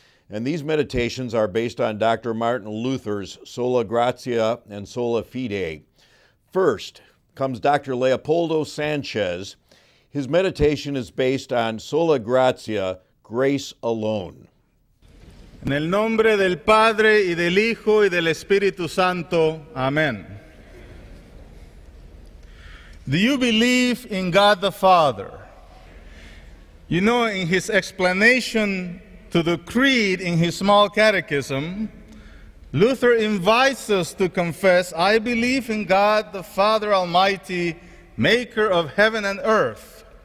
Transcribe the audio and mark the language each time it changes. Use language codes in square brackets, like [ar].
[en] And these meditations are based on Dr. Martin Luther's Sola Gratia and Sola Fide. First comes Dr. Leopoldo Sanchez. His meditation is based on Sola Gratia, grace alone. [es] En el nombre del Padre, y del Hijo, y del Espíritu Santo. Amen. [en] Do you believe in God the Father? You know, in his explanation to the creed in his small catechism, Luther invites us to confess, I believe in God the Father Almighty, maker of heaven and earth.